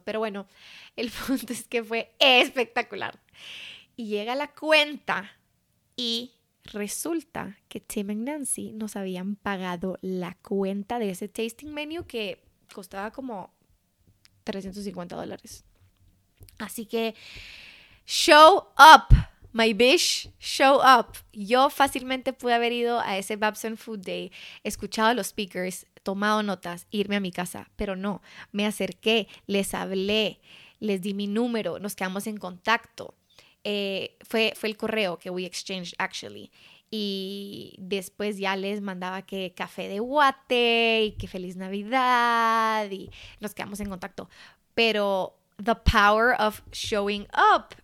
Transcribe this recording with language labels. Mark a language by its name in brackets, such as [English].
[Spanish] Pero bueno, el punto es que fue espectacular. Y llega la cuenta y resulta que Tim y Nancy nos habían pagado la cuenta de ese tasting menu que costaba como $350. Así que, [English] show up, my bitch, show up. [Spanish] Yo fácilmente pude haber ido a ese Babson Food Day, escuchado a los speakers, tomado notas, irme a mi casa, pero no, me acerqué, les hablé, les di mi número, nos quedamos en contacto. Fue el correo que [English] we exchanged actually, [Spanish] y después ya les mandaba que café de guate y que feliz navidad y nos quedamos en contacto, pero [English] the power of showing up.